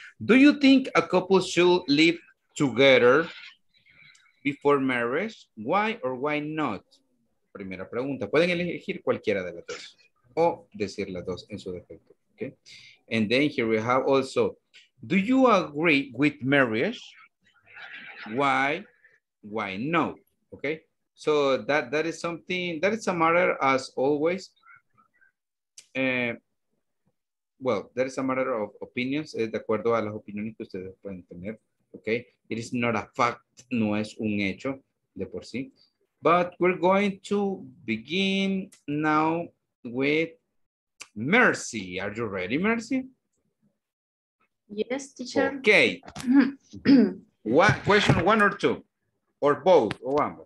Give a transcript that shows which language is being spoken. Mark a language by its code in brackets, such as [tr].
[en] Do you think a couple should live together before marriage? Why or why not? [es] Primera pregunta. Pueden elegir cualquiera de las dos o decir las dos en su defecto. [en] Okay. And then here we have also, do you agree with marriage? Why no? Okay. So that is something, that is a matter as always. Well, that is a matter of opinions. [es] Es de acuerdo a las opiniones que ustedes pueden tener. [en] Okay, it is not a fact, [es] no es un hecho de por sí. [en] But we're going to begin now with Mercy. Are you ready, Mercy? Yes, teacher. Okay. What question, one or two? Or both? Or ambos?